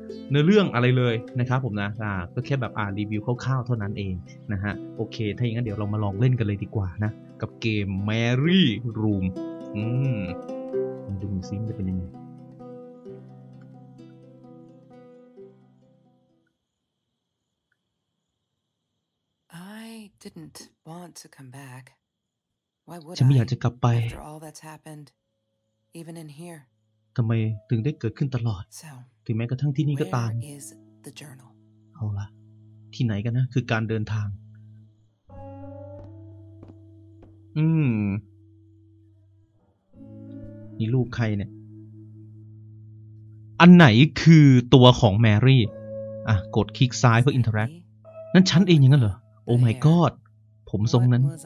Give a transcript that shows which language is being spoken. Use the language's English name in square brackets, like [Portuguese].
[Thai] เนื้อเรื่องอะไรเลยนะครับผมนะก็แค่แบบอ่านรีวิวคร่าวๆเท่านั้นเองนะฮะโอเคถ้าอย่างนั้นเดี๋ยวเรามาลองเล่นกันเลยดีกว่านะกับเกม Mary Room มาดูซิมันจะเป็นยังไง [English] I didn't want to come back. Why would I? [Thai] ฉันไม่อยากจะกลับไป [English] After all that's happened, even in here. [Thai] ทำไมถึงได้เกิดขึ้นตลอด So, ถึงแม้กระทั่งที่นี่ก็ตาม [English] Where is the journal? [Thai] เอาล่ะที่ไหนกันนะคือการเดินทางนี่รูปใครเนี่ยอันไหนคือตัวของแมรี่อ่ะกดคลิกซ้ายเพื่ออินเทอร์แอคนั่นฉันเองอย่างนั้นเหรอโอ้ [English] my god [Thai] ผมทรงนั้น